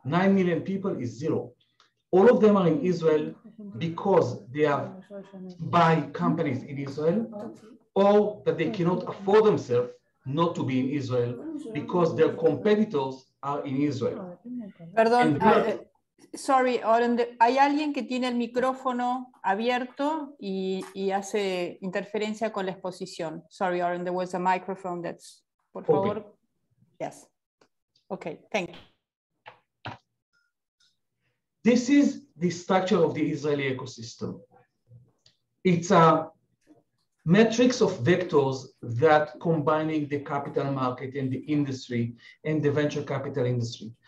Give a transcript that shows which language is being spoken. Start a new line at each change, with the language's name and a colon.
English: 9 million people is zero. All of them are in Israel because they have buy companies in Israel, or that they cannot afford themselves not to be in Israel because their competitors are in Israel.
Spanish: Perdón. Sorry, Orende, hay alguien que tiene el micrófono abierto y hace interferencia con la exposición.
English: Sorry, Orende, there was a microphone that's, por favor. Okay. Yes. Okay, thank you. This is the structure of the Israeli ecosystem. It's a Metrics of vectors that combining the capital market and the industry and the venture capital industry.